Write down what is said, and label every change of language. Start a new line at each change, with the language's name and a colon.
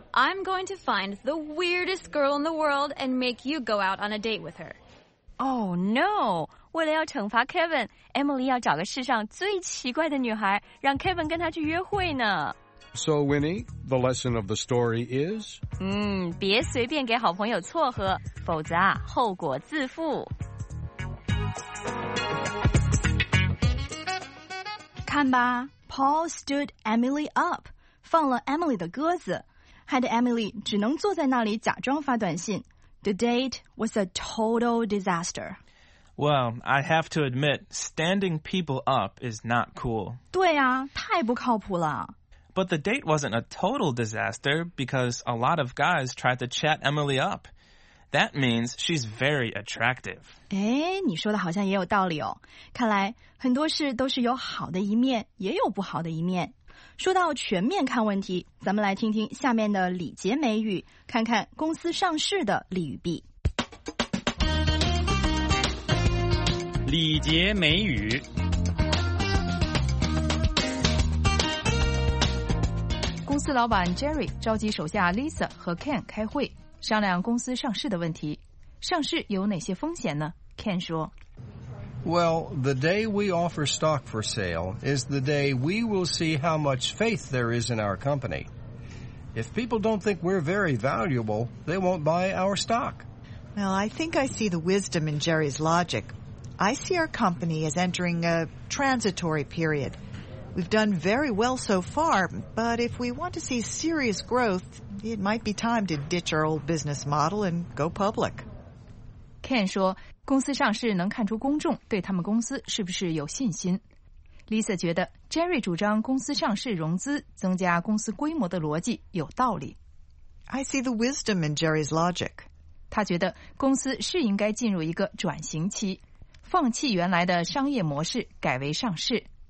English: I'm going to find the weirdest girl in the world and make you go out on a date with her. Oh, no.
Chinese: 为了要惩罚 Kevin, Emily 要找个世上最奇怪的女孩，让 Kevin 跟她去约会呢。
English: So, Winnie, the lesson of the story is?
Chinese: 别随便给好朋友撮合，否则啊，后果自负。看吧 ,
English: Paul stood Emily up,
Chinese: 放了 Emily 的鸽子，害得 Emily 只能坐在那里假装发短信。
English: The date was a total disaster. Well, I have to admit, standing people up is not cool.
Chinese: 对啊，太不靠谱了。
English: But the date wasn't a total disaster because a lot of guys tried to chat Emily up. That means she's very attractive.
Chinese: 诶，你说的好像也有道理哦。看来很多事都是有好的一面，也有不好的一面。说到全面看问题，咱们来听听下面的礼节美语，看看公司上市的利与弊。礼节美语。公司老板 Jerry 召集手下 Lisa 和 Ken 开会，商量公司上市的问题。上市有哪些风险呢？Ken 说
English: Well, the day we offer stock for sale is the day we will see how much faith there is in our company. If people don't think we're very valuable, they won't buy our stock. Well, I think I see the wisdom in Jerry's logic. I see our company as entering a transitory period. We've done very well so far, but if we want to see serious growth, it might be time to ditch our old business model and go public.
Chinese: Ken 说，公司上市能看出公众对他们公司是不是有信心。 Lisa 觉得 Jerry 主张公司上市融资，增加公司规模的逻辑有道理。
English: I see the wisdom in Jerry's logic.
Chinese: 他觉得公司是应该进入一个转型期，放弃原来的商业模式，改为上市。